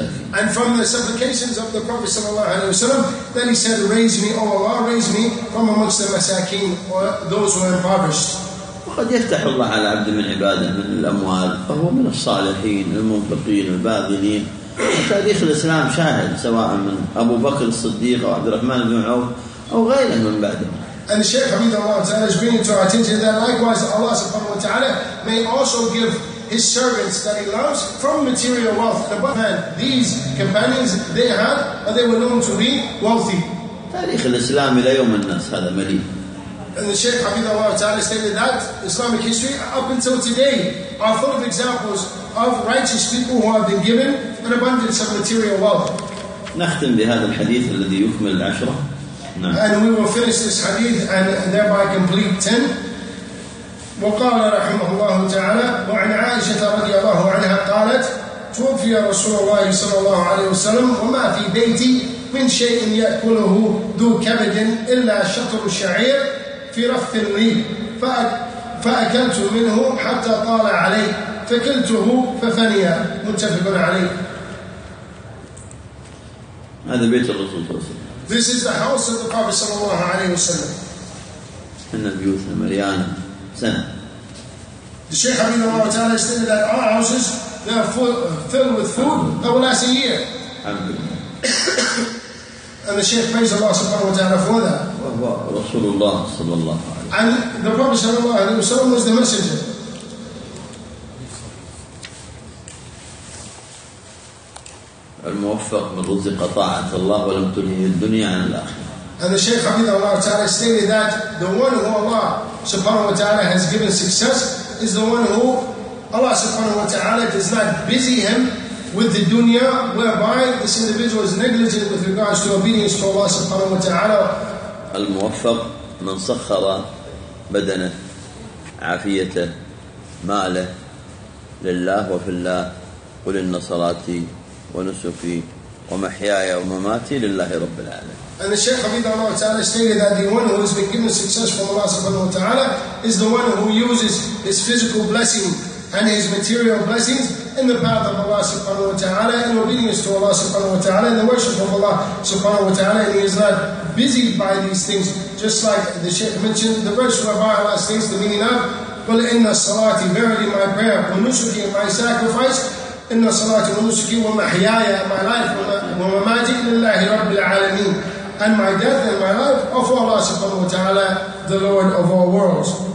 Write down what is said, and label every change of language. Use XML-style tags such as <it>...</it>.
<en>And from the supplications of the Prophet sallallahu alayhi wa sallam, then he said, raise me, O Allah, raise me from amongst the masakin, or those who are impoverished.</en> <ar>قد يفتح الله على عبد من عباده من الأموال فهو من الصالحين المنفقين الباذلين. تاريخ الإسلام شاهد سواء من أبو بكر الصديق أو عبد الرحمن بن عوف أو غيره من بعده.</ar> <en>And the Shaykh Habib Allah Ta'ala is bringing to our attention that likewise Allah subhanahu wa ta'ala may also give his servants that he loves from material wealth. And above that, these companions they had, they were known to be wealthy.</en> <ar>تاريخ الإسلام إلى يوم الناس هذا مليء.</ar> <en>And the Shaykh Hafidhahullah Ta'ala stated that Islamic history up until today are full of examples of righteous people who have been given an abundance of material wealth.</en> <ar>نختم بهذا الحديث الذي يكمل العشرة.</ar> <en>And we will finish this hadith and thereby complete 10.</en> <ar>وقال رحمه الله تعالى وعن عائشة رضي الله عنها قالت توفي رسول الله صلى الله عليه وسلم وما في بيتي من شيء يأكله ذو كبد إلا شطر الشعير في رف الريب فأكلت منه حتى طال عليه فكلته ففني. متفق عليه. هذا بيت الرسول صلى الله عليه وسلم.</ar> <en>This is the house of the Prophet صلى الله عليه وسلم.</en> <ar>إن البيوت مليانة سنة.</ar> <en>The Shaykh Hafidhahullah Ta'ala stated that our houses they are filled with food that will last a year. And the Shaykh praised Allah subhanahu wa ta'ala for that. Rasulullah sallallahu alayhi wa sallam. And the Prophet sallallahu alayhi wa sallam was the messenger.</en> <ar>الموفق من رزق طاعة الله ولم تنهي الدنيا عن الآخرة.</ar> <en>And the Shaykh Hafidhahullah Ta'ala stated that the one who Allah subhanahu wa ta'ala has given success is the one who Allah subhanahu wa ta'ala does not busy him with the dunya, whereby this individual is negligent with regards to obedience to Allah subhanahu wa ta'ala.</en> <ar>الموفق من سخر بدنه عافيته ماله لله وفي الله قل إن صلاتي ونسكي ومحياي ومماتي لله رب العالمين.</ar> <en>And the Shaykh Hafidhahullah Ta'ala stated that the one who has been given success from Allah subhanahu wa ta'ala is the one who uses his physical blessing and his material blessings in the path of Allah subhanahu wa ta'ala, in obedience to Allah subhanahu wa ta'ala, in the worship of Allah subhanahu wa ta'ala, and he is not busy by these things, just like the Shaykh mentioned the verse whereby Allah states the meaning of</en> <ar>قُلْ إِنَّ الصَّلَاةِ</ar> <en>verily my prayer</en> <ar>ونسكي</ar> <en>my sacrifice</en> <ar>إِنَّ الصَّلَاةِ ونسكي وَمَحْيَايَ</ar> <en>my life</en> <ar>وَمَمَاتِي لِلَّهِ رَبِّ الْعَالَمِينَ</ar> <en>and my death and my life of Allah subhanahu wa ta'ala, the Lord of all worlds.</en>